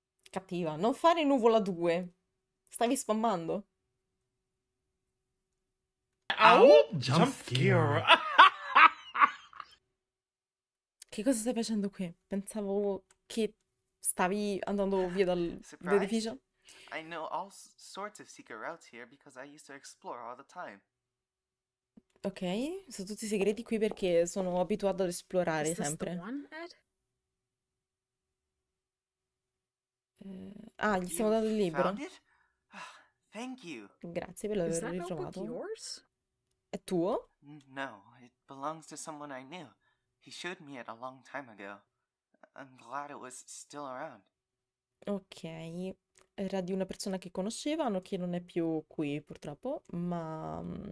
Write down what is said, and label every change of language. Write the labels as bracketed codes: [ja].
[it] Cattiva, non fare nuvola 2. Stavi spammando. Jump scare. Che cosa stai facendo qui? Pensavo che stavi andando via dall'edificio. [en] I know all sorts of secret routes here because I used to explore all the time. [it] Ok, sono tutti segreti qui perché sono abituato ad esplorare sempre. Ah, gli stiamo dando il libro. [en] Thank you. [it] Grazie per l'aver ritrovato. È tuo? [en] No, it belongs to someone I knew. He showed me it a long time ago. I'm glad it was still around. [it] Ok. Era di una persona che conoscevano, che non è più qui, purtroppo, ma...